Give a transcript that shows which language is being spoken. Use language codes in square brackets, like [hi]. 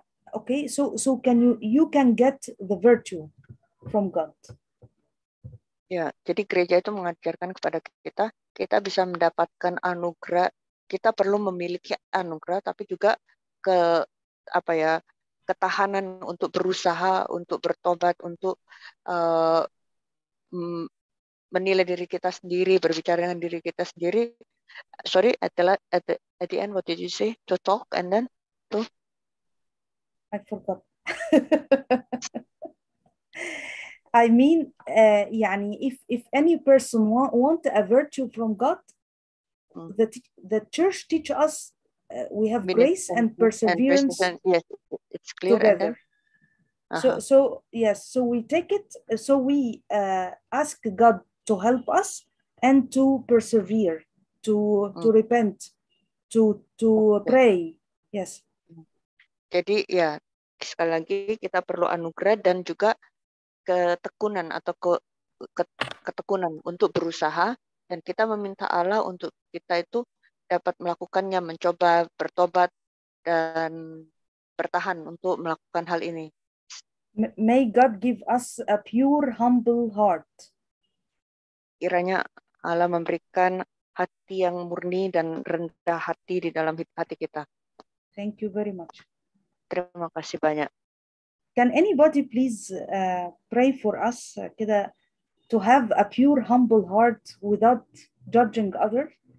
[en] Okay, so can you get the virtue from God? [id] Ya, jadi gereja itu mengajarkan kepada kita, kita bisa mendapatkan anugerah, kita perlu memiliki anugerah, tapi juga ketahanan untuk berusaha, untuk bertobat, untuk menilai diri kita sendiri, berbicara dengan diri kita sendiri. [en] Sorry, at the end, what did you say? To talk and then to? I forgot. I mean, yani if any person want a virtue from God, the church teach us we have grace and perseverance and yes, it's clear together. So we take it. So we ask God to help us and to persevere, to repent, to pray. Yes. [id] Jadi ya, sekali lagi kita perlu anugerah dan juga ketekunan atau ketekunan untuk berusaha, dan kita meminta Allah untuk kita itu dapat melakukannya, mencoba, bertobat, dan bertahan untuk melakukan hal ini. [en] May God give us a pure, humble heart. [id] Kiranya Allah memberikan hati yang murni dan rendah hati di dalam hati kita. [en] Thank you very much. [id] Terima kasih banyak. [en] Can anybody please pray for us to have a pure, humble heart without judging others?